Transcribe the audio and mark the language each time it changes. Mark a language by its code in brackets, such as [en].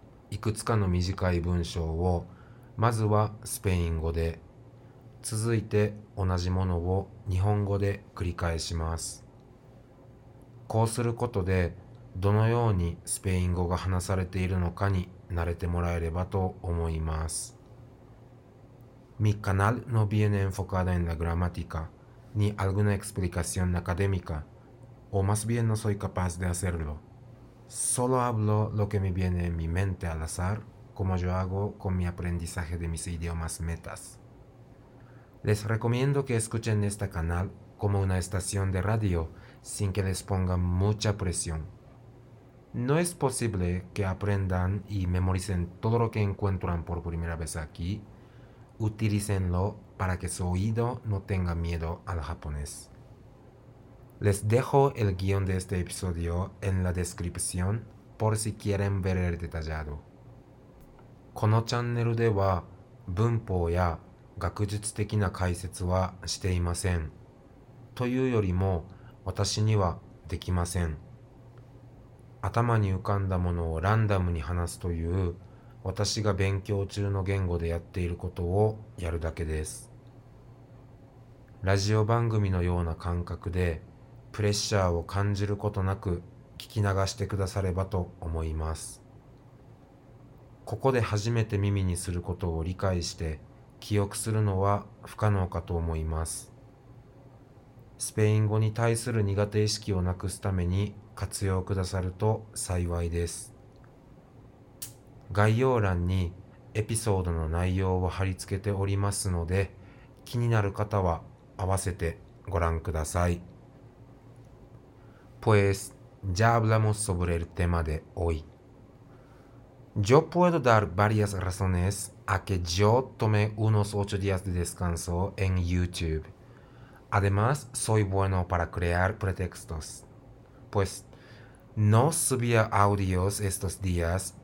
[ja] いくつかの短い文章を、まずはスペイン語で、続いて同じものを日本語で繰り返します。こうすることで、どのようにスペイン語が話されているのかに慣れてもらえればと思います。 [es] Mi canal no viene enfocada en la gramática. Ni alguna explicación académica, o más bien no soy capaz de hacerlo. Solo hablo lo que me viene en mi mente al azar, como yo hago con mi aprendizaje de mis idiomas metas. Les recomiendo que escuchen este canal como una estación de radio sin que les ponga mucha presión. No es posible que aprendan y memoricen todo lo que encuentran por primera vez aquí. Utilícenlo para que su oído no tenga miedo al japonés. Les dejo el guión de este episodio en la descripción por si quieren ver el detallado. [ja] このチャンネルでは文法や学術的な解説はしていません。というよりも私にはできません。頭に浮かんだものをランダムに話すという私が勉強中の言語でやっていることをやるだけです。ラジオ番組のような感覚でプレッシャーを感じることなく聞き流してくださればと思います。ここで初めて耳にすることを理解して記憶するのは不可能かと思います。スペイン語に対する苦手意識をなくすために活用くださると幸いです。概要欄にエピソードの内容を貼り付けておりますので、気になる方は合わせてご覧ください。 [es] Pues, ya hablamos sobre el tema de hoy. Yo puedo dar varias razones a que yo tomé unos 8 días de descanso en YouTube. Además, soy bueno para crear pretextos. Pues, no subía audios estos días.